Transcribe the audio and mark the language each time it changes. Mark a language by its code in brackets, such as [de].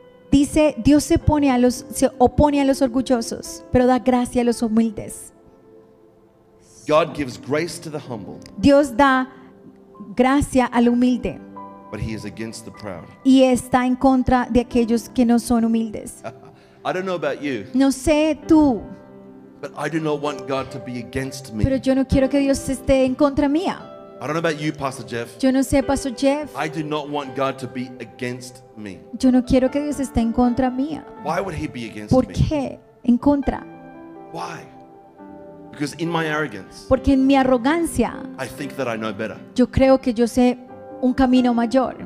[es] Dice, Dios se opone a los orgullosos, pero da gracia a los humildes. [en] God gives grace to the humble. [es] Dios da gracia al humilde. [en] But he is against the proud. [es] Y está en contra de aquellos que no son humildes. [en] I don't know about you. [es] No sé tú. [en] But I do not want God to be against me. [es] Pero yo no quiero que Dios esté en contra mía. [en] I don't know about you, Pastor Jeff. [es] Yo no sé, Pastor Jeff. [en] I do not want God to be against me. [es] Yo no quiero que Dios esté en contra mía. [en] Why would he be against [es] ¿Por qué? [en] Me? [es] En contra. [en] Why? Because in my arrogance. [es] Porque en mi arrogancia. [en] I think that I know better. [es] Yo creo que yo sé un camino mayor.